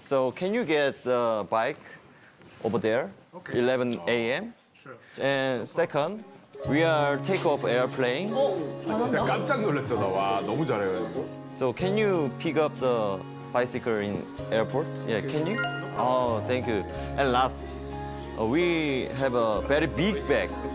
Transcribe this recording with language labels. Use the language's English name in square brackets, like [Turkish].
[English] So can you get the bike over there? Okay. 11 a.m. Sure. And no second, we are take off airplane. [Korean] Oh. 아, 진짜 깜짝 놀랐어, 나. 와, 너무 잘해. [English] So can you pick up the bicycle in airport? Yeah, okay. Can you? Oh, thank you. And last, we have a very big bag.